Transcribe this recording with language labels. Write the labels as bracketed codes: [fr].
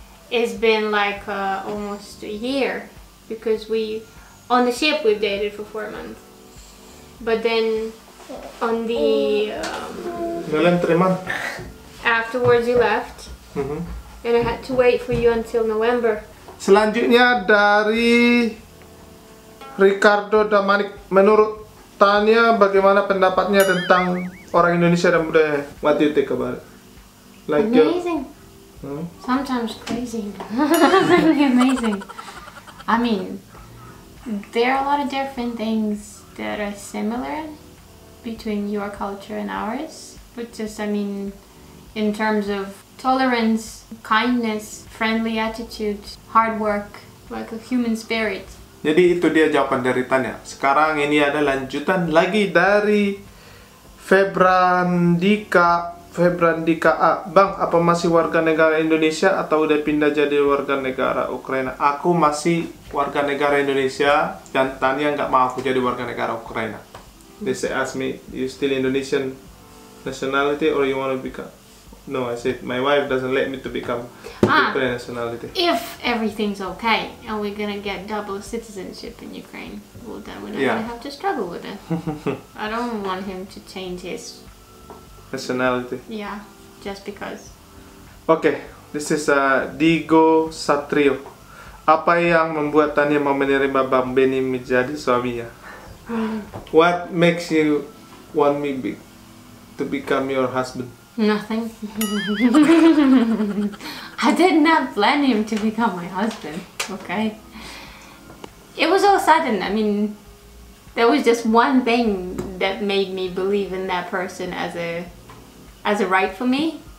[en] It's been like almost a year because we on the ship we've dated for 4 months, but then on the Nolan 3 months afterwards you left, and I had to wait for you until November. [id] Selanjutnya dari Ricardo Damanik, menurut Tania bagaimana pendapatnya tentang orang Indonesia dan budaya? [en] What do you think about it? Like amazing. Sometimes crazy. Really amazing. I mean, there are a lot of different things that are similar between your culture and ours. But just, I mean, in terms of tolerance, kindness, friendly attitude, hard work, like a human spirit. [id] Jadi itu dia jawaban dari Tanya. Sekarang ini ada lanjutan lagi dari Febrandika A. Bang, apa masih warga negara Indonesia atau udah pindah jadi warga negara Ukraina? Aku masih warga negara Indonesia dan Tania nggak mau aku jadi warga negara Ukraina. [en] They say, ask me, you still Indonesian nationality or you want to become? No, I said, my wife doesn't let me to become Ukraine nationality. If everything's okay and we're gonna get double citizenship in Ukraine, well then we're not gonna have to struggle with it. I don't want him to change his nationality. Yeah, just because. Okay, this is Digo Satrio. [id] Apa yang membuat Tania mau menerima Bang Benny menjadi suaminya? [en] What makes you want me to become your husband? Nothing. I did not plan him to become my husband, okay? It was all sudden, I mean, there was just one thing that made me believe in that person as a right for me.